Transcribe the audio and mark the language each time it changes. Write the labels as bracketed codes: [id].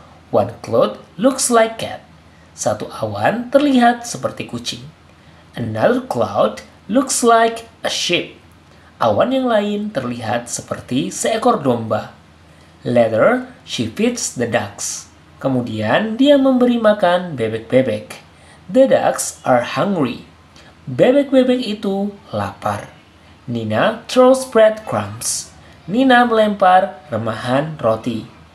[en] One cloud looks like cat. [id] Satu awan terlihat seperti kucing. [en] Another cloud looks like a sheep. [id] Awan yang lain terlihat seperti seekor domba. [en] Later, she feeds the ducks. [id] Kemudian, dia memberi makan bebek-bebek. [en] The ducks are hungry. [id] Bebek-bebek itu lapar. [en] Nina throws breadcrumbs. [id] Nina melempar remahan roti.